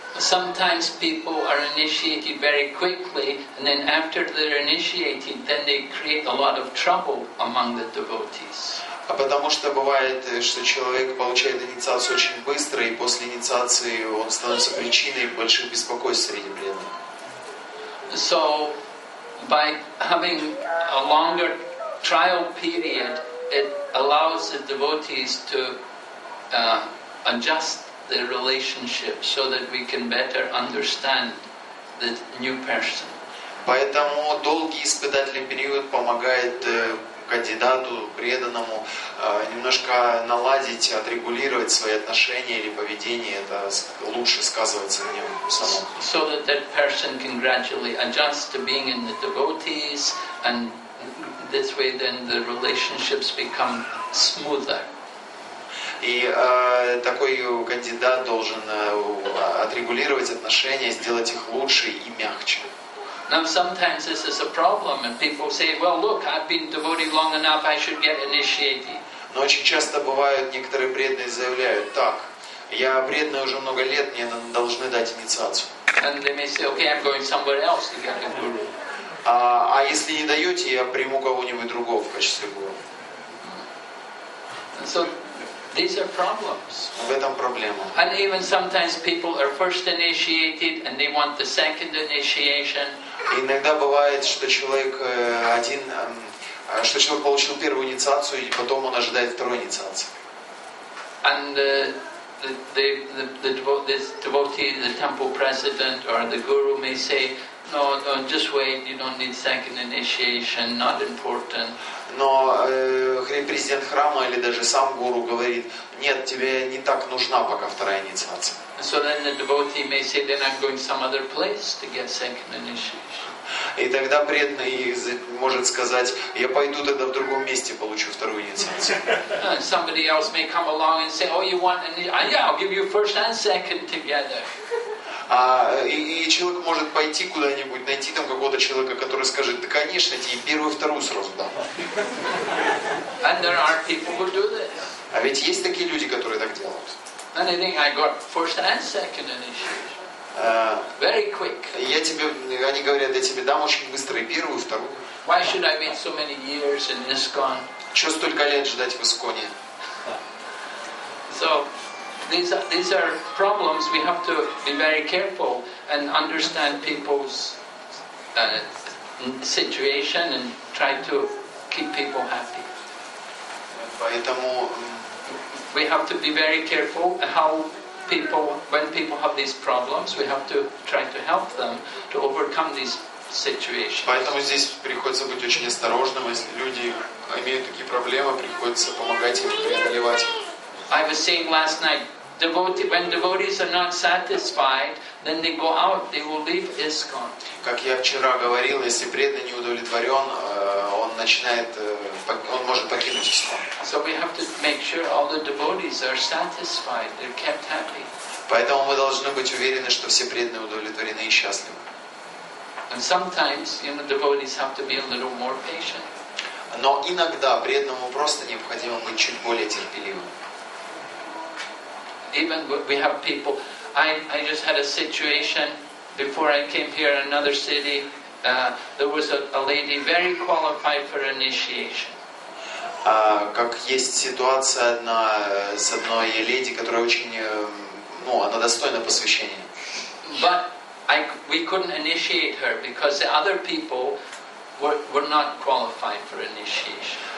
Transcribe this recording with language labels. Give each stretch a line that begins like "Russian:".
English: Sometimes people are initiated very quickly, and then after they're initiated, then they create a lot of trouble among the devotees.
Russian: А потому что бывает, что человек получает инициацию очень быстро, и после инициации он становится причиной больших беспокойств среди преданных.
English: So, by having a longer trial period, it allows the devotees to adjust the relationship so that we can better understand the new person.
Russian: Поэтому долгий испытательный период помогает кандидату, преданному немножко наладить, отрегулировать свои отношения или поведение. Это лучше сказывается на нем самом.
English: So that that person can gradually adjust to being in the devotees, and this way then the relationships become smoother.
Russian: И такой кандидат должен отрегулировать отношения, сделать их лучше и мягче.
English: Now sometimes this is a problem, and people say, "Well, look, I've been devoted long enough; I should get initiated."
Russian: Но очень часто бывают некоторые преданные заявляют: "Так, я преданный уже много лет, мне должны дать инициацию."
English: And they may say, "Okay, I'm going somewhere else to get a guru."
Russian: А если не даете, я приму кого-нибудь другого в качестве гуру.
English: So these are problems.
Russian: В этом проблема.
English: And even sometimes people are first initiated and they want the second initiation.
Russian: Иногда бывает, что человек один, что человек получил первую инициацию, и потом он ожидает второй инициации.
English: And the temple president or the guru may say, "No, no, just wait. You don't need second initiation. Not important."
Russian: Но президент храма или даже сам гуру говорит: "Нет, тебе не так нужна пока вторая инициация."
English: So then the devotee may say, "Then I'm going to some other place to get second initiation."
Russian: И тогда преданный может сказать: "Я пойду тогда в другом месте, получу вторую инициацию."
English: Somebody else may come along and say, "Oh, you want an initiation? Yeah, I'll give you first and second together."
Russian: И человек может пойти куда-нибудь, найти там какого-то человека, который скажет: "Да, конечно, тебе первую, вторую сразу дам."
English: And there are people who do this.
Russian: А ведь есть такие люди, которые так делают.
English: And I think I got first and second initiation. Very quick.
Russian: Я тебе, они говорят, я тебе дам очень быстро и первую, и вторую.
English: Why should I wait so many years in ISKCON?
Russian: Чего столько лет ждать в ИСКОНе?
English: So these are problems. We have to be very careful and understand people's situation and try to keep people happy.
Russian: Поэтому
English: we have to be very careful how people, when people have these problems, we have to try to help them to overcome these situations.
Russian: Поэтому здесь приходится быть очень осторожным, если люди имеют такие проблемы, приходится помогать им преодолевать.
English: I was saying last night, when devotees are not satisfied, then they go out, they will leave ISKCON.
Russian: Как я вчера говорил, если преданный не удовлетворен, он начинает, он может покинуть ИСККОН.
English: So we have to make sure all the devotees are satisfied, they're kept happy.
Russian: Поэтому мы должны быть уверены, что все преданные удовлетворены и счастливы.
English: And sometimes, you know, devotees have to be a little more patient.
Russian: Но иногда преданному просто необходимо быть чуть более терпеливым.
English: Even we have people. I just had a situation before I came here in another city. There was a lady very qualified for initiation.
Russian: Как есть ситуация одна с одной леди, которая очень, ну, она достойна посвящения.
English: But we couldn't initiate her because the other people were not qualified for initiation.